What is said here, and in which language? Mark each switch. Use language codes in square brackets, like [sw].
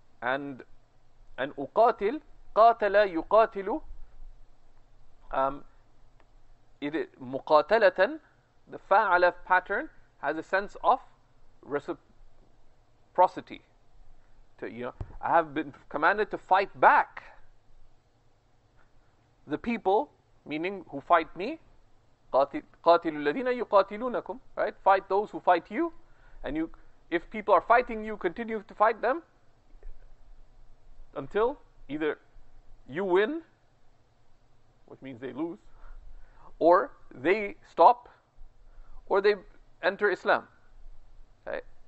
[ar] And uqatil. قاتل يقاتل مقاتلة. [en] The فعل pattern has a sense of reciprocity. To, you know, I have been commanded to fight back the people, meaning who fight me. [ar] قاتل الذين يقاتلونكم, right? [en] Fight those who fight you, and you, if people are fighting you, continue to fight them until either you win, which means they lose, or they stop, or they enter Islam. Okay?